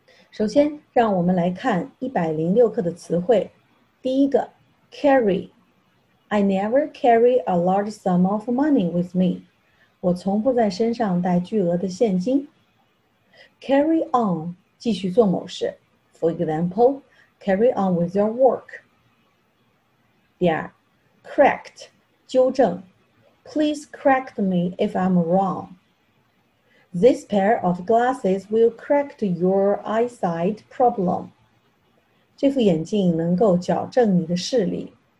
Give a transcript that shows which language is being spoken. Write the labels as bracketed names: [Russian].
[Chinese] 首先，让我们来看106课的词汇。第一个 ，carry。 [English] I never carry a large sum of money with me. [Chinese] 我从不在身上带巨额的现金。 [English] Carry on, [Chinese] 继续做某事。 [English] For example, carry on with your work. 第二 ,correct, 纠正。Please correct me if I'm wrong. This pair of glasses will correct your eyesight problem. [Chinese] 这副眼镜能够矫正你的视力。